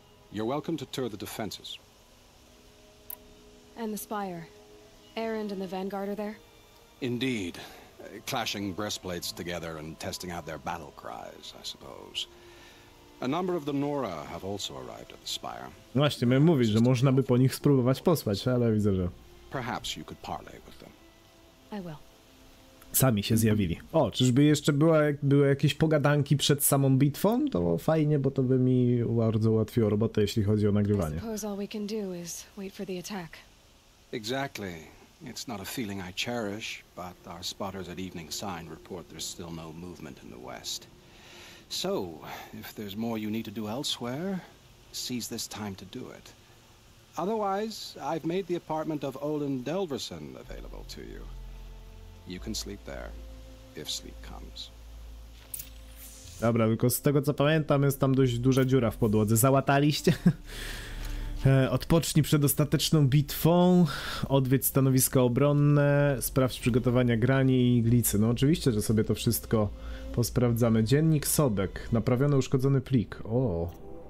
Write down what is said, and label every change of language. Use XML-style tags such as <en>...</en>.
<en>You're welcome to tour the defenses. And the spire. Erend and the Vanguard are there? Indeed. Clashing breastplates together and testing out their battle cries, I suppose. A number of the Nora have also arrived at the spire.</en> <pl>Właśnie, miałem mówić, że można by po nich spróbować posłać, ale widzę, że...</pl> <en>Perhaps you could parlay with them. I will.</en> <pl>Sami się zjawili. O, czyżby jeszcze były jakieś pogadanki przed samą bitwą? To fajnie, bo to by mi bardzo ułatwiło robotę, jeśli chodzi o nagrywanie.</pl> <en>I suppose all we can do is wait for the attack. Exactly. It's not a feeling I cherish, but our spotters at Evening Sign report there's still no movement in the west. So, if there's more you need to do elsewhere, seize this time to do it. Otherwise, I've made the apartment of Olin Delverson available to you. You can sleep there, if sleep comes.</en> <pl>Dobra, tylko z tego co pamiętam, jest tam dość duża dziura w podłodze. Załataliście? Odpocznij przed ostateczną bitwą, odwiedź stanowiska obronne, sprawdź przygotowania grani i iglicy. No oczywiście, że sobie to wszystko posprawdzamy. Dziennik Sobek, naprawiony, uszkodzony plik. O.</pl>